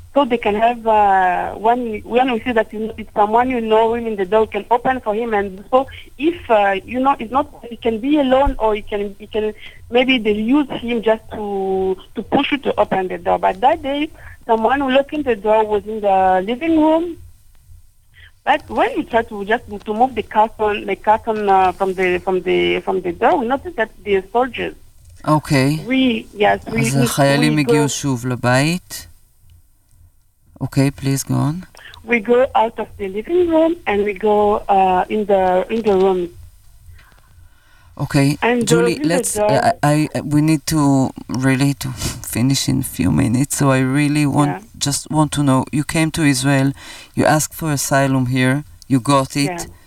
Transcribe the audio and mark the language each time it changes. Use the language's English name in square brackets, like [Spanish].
[English] So they can have when we see that you know, it's someone you know him in the door can open for him, and so if you know it's not, he can be alone or he can maybe they use him just to push you to open the door. But that day, someone who locked in the door was in the living room. But when we tried to just to move the curtain from the door, we noticed that the soldiers. Okay. We [Hebrew] אז החיילים הגיעו שוב לבית. [English] Okay, please go on. We go out of the living room and we go in the room. Okay, and Julie, let's we need to really to finish in a few minutes, so I really want to know, you came to Israel, you asked for asylum here, you got it.